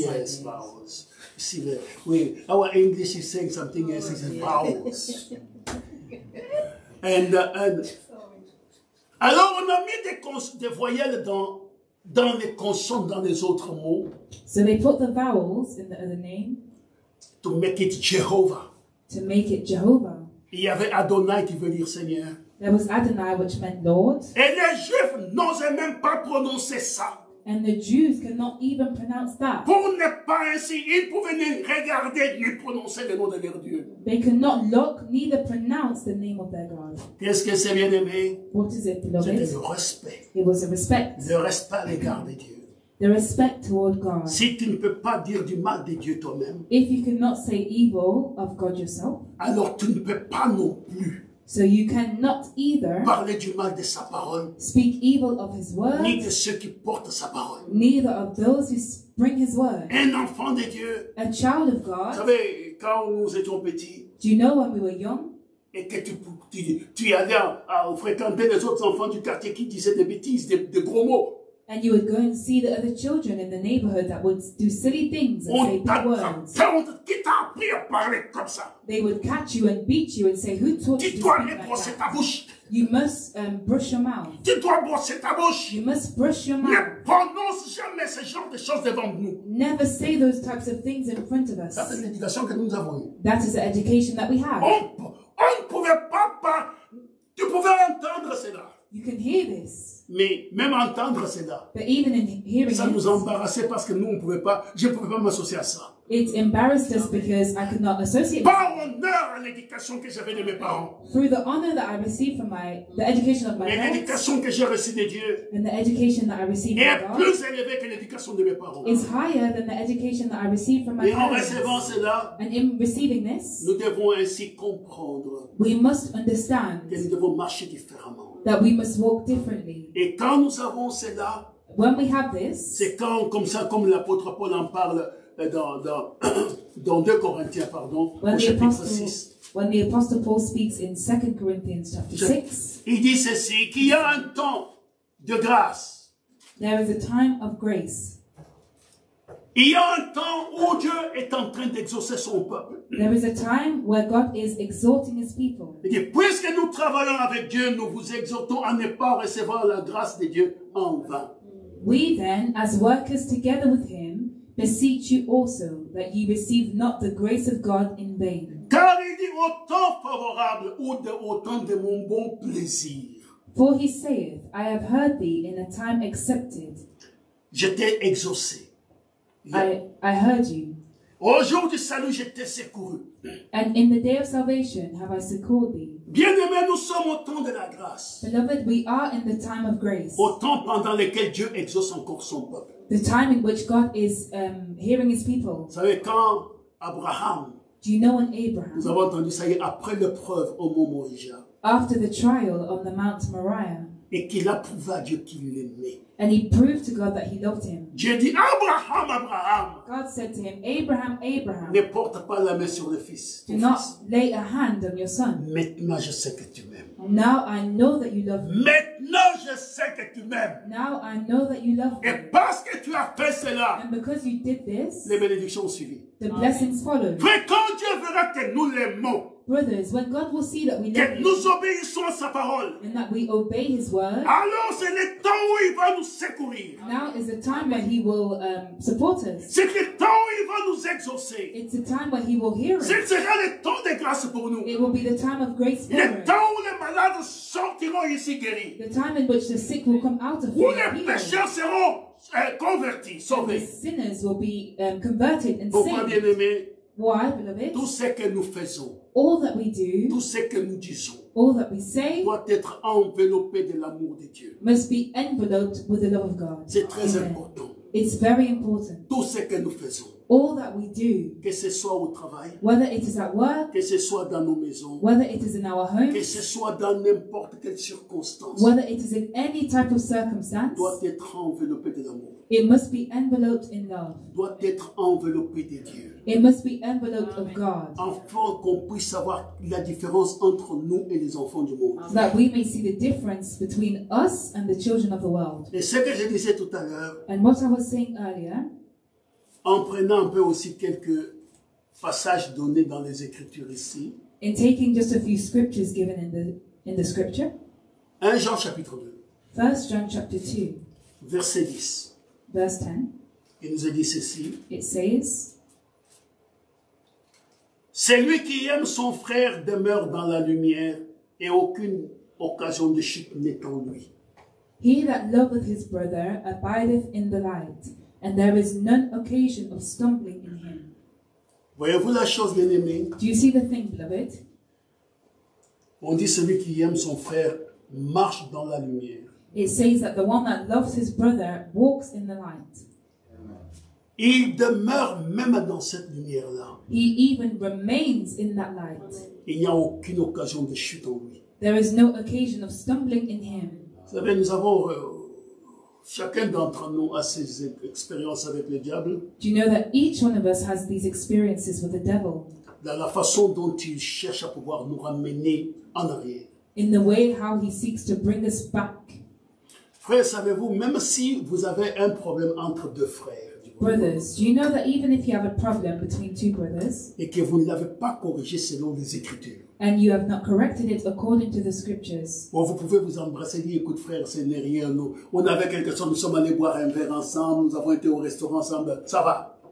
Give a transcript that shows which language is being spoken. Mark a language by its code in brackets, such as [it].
[en] Yes, vowels. You see that? Wait, our English is saying something else. It's vowels. And [fr] alors on a mis des voyelles dans les consonnes dans les autres mots. [en] So they put the vowels in the other name. To make it Jehovah. To make it Jehovah. [fr] Il y avait Adonai qui veut dire Seigneur. [en] There was Adonai which meant Lord. [fr] Et les Juifs n'osaient même pas prononcer ça. [en] And the Jews cannot even pronounce that. [fr] Pour ne pas ainsi, ils pouvaient regarder ni prononcer le nom de leur Dieu. [en] They cannot look, neither pronounce the name of their God. [fr] Qu'est-ce que c'est bien aimé? [en] What is it, beloved? [fr] C'était le respect. [en] It was a respect. [fr] Le respect à l'égard de Dieu. [en] The respect toward God. [fr] Si tu ne peux pas dire du mal de Dieu toi-même. [en] If you cannot say evil of God yourself. [fr] Alors tu ne peux pas non plus. [en] So you cannot either [fr] parler du mal de sa parole, [en] speak evil of his word, [fr] ni de ceux qui portent sa parole. [en] Neither of those who bring his word. [fr] Un enfant de Dieu. [en] A child of God. [fr] Vous savez, quand nous étions petits, [en] do you know when we were young? [fr] et que tu allais fréquenter les autres enfants du quartier qui disaient des bêtises, des gros mots. [en] And you would go and see the other children in the neighborhood that would do silly things and say big words. [fr] On t'a qui t'a appris à parler comme ça. [en] They would catch you and beat you and say, who taught you to speak like that? You must brush your mouth. [fr] Tu dois brosser ta bouche. [en] You must brush your mouth. [fr] Ne prononce jamais ce genre de choses devant nous. [en] Never say those types of things in front of us. [fr] Ça, c'est l'éducation que nous avons. [en] That is the education that we have. [fr] On ne pouvait pas, pas. Tu pouvais entendre cela. [en] You can hear this. [fr] Mais même entendre cela. [en] But even in hearing [fr] ça nous embarrassait parce que nous, on pouvait pas, je pouvais pas m'associer à ça. [en] It embarrassed us because I could not associate [fr] par honneur à l'éducation que j'avais de mes parents. [en] Through the honor that I received from my the education of my parents. [fr] Et l'éducation que j'ai reçue de Dieu. [en] And the education that I received from God. [fr] Est plus élevée que l'éducation de mes parents. [en] Is higher than the education that I received from my [fr] parents. Et en recevant cela. [en] And in receiving this. [fr] Nous devons ainsi comprendre. [en] We must understand. [fr] Que nous devons marcher différemment. [en] That we must walk differently. [fr] Et quand nous avons cela. [en] When we have this. [fr] C'est quand comme ça comme l'apôtre Paul en parle. Dans 2 Corinthiens, pardon, [en] when [fr] au chapitre 6. [en] When the Apostle Paul speaks in 2 Corinthians chapter 6. [fr] Il dit ceci, qu'il y a un temps de grâce. [en] There is a time of grace. [fr] Il y a un temps où Dieu est en train d'exaucer son peuple. [en] There is a time where God is exhorting his people. [fr] Il dit, puisque nous travaillons avec Dieu, nous vous exhortons à ne pas recevoir la grâce de Dieu en vain. [en] We then, as workers together with him, beseech you also that ye receive not the grace of God in vain. [fr] Car il dit au temps favorable ou de au temps de mon bon plaisir. [en] For he saith, I have heard thee in a time accepted. [fr] Je t'ai exaucé. [en] I heard you. [fr] Au jour du salut, je t'ai secouru. [en] And in the day of salvation, have I secoured thee. [fr] Bien-aimé, nous sommes au temps de la grâce. [en] Beloved, we are in the time of grace. [fr] Au temps pendant lequel Dieu exauce encore son peuple. [en] The time in which God is hearing his people. [fr] Vous savez, quand Abraham, [en] do you know when Abraham, [fr] nous avons entendu, ça y est, après l'épreuve au mont Moriah, [en] after the trial on the Mount Moriah, [fr] et qu'il a prouvé à Dieu qu'il l'aimait, [en] and he proved to God that he loved him, [fr] Dieu dit, Abraham, Abraham, [en] God said to him, Abraham, Abraham, [fr] ne porte pas la main sur le fils, [en] do not lay a hand on your son. [fr] Maintenant je sais que tu m'aimes. [en] Now I know that you love me. [fr] Maintenant je sais que tu m'aimes. [en] Now I know that you love me. [fr] Et parce que tu as fait cela. [en] And because you did this. [fr] Les bénédictions ont suivi. [en] The blessings followed. [fr] Mais quand Dieu verra que nous l'aimons. [en] Brothers, when God will see that we love him. [fr] Que nous obéissons à sa parole. [en] And that we obey his word. [fr] Alors c'est le temps où il va nous secourir. [en] Now is the time where he will support us. [fr] C'est le temps où il va nous exaucer. [en] It's the time where he will hear us. [fr] C'est sera le temps de grâce pour nous. [en] It will be the time of grace for us. [fr] Le temps où les malades sortiront ici guéris. [en] The time in which the sick will come out of here. [fr] Où les pécheurs seront convertis, sauvés. [en] The sinners will be converted and [fr] pourquoi [en] saved. [fr] Pourquoi bien-aimé? [en] Why, beloved? [fr] Tout ce que nous faisons. [en] All that we do. [fr] Tout ce que nous disons. [en] All that we say. [fr] Doit être enveloppé de l'amour de Dieu. [en] Must be enveloped with the love of God. [fr] C'est très Amen. Important. [en] It's very important. [fr] Tout ce que nous faisons. [en] All that we do. [fr] Que ce soit au travail. [en] Whether it is at work. [fr] Que ce soit dans nos maisons. [en] Whether it is in our homes. [fr] Que ce soit dans n'importe quelle circonstance. [en] Whether it is in any type of circumstance. [fr] Doit être enveloppé de l'amour. [en] It must be enveloped in love. [fr] Doit être enveloppé de Dieu. [en] It must be enveloped Amen. Of God. [fr] Afin qu'on puisse savoir la différence entre nous et les enfants du monde. [en] So that we may see the difference between us and the children of the world. [fr] Et ce que je disais tout à l'heure. [en] And what I was saying earlier. [fr] En prenant un peu aussi quelques passages donnés dans les Écritures ici. [en] In taking just a few scriptures given in the scripture. [fr] 1 Jean chapitre 2. [en] 1 John chapter 2. [fr] Verset 10. [en] Verse 10. [fr] Il nous a dit ceci. [en] It says. [fr] Celui qui aime son frère demeure dans la lumière et aucune occasion de chute n'est en lui. [en] He that loveth his brother abideth in the light. And there is none occasion of stumbling in him. [fr] Voyez-vous la chose, bien-aimée? [en] Do you see the thing, beloved? [fr] On dit celui qui aime son frère marche dans la lumière. [en] It says that the one that loves his brother walks in the light. [fr] Il demeure même dans cette lumière-là. [en] He even remains in that light. [fr] Il n'y a aucune occasion de chute en lui. [en] There is no occasion of stumbling in him. [fr] Vous savez, nous avons... Chacun d'entre nous a ses expériences avec le diable. [en] Do you know that each one of us has these experiences with the devil? [fr] dans la façon dont il cherche à pouvoir nous ramener en arrière. [en] In the way how he seeks to bring us back. [fr] Frères, savez-vous, même si vous avez un problème entre deux frères, [en] brothers, do you know that even if you have a problem between two brothers, [fr] et que vous ne l'avez pas corrigé selon les Écritures, [en] and you have not corrected it according to the scriptures, [fr] bon, vous pouvez vous embrasser et dire, écoute frère, ce n'est rien, nous, on avait quelque chose, nous sommes allés boire un verre ensemble, nous avons été au restaurant ensemble, ça va.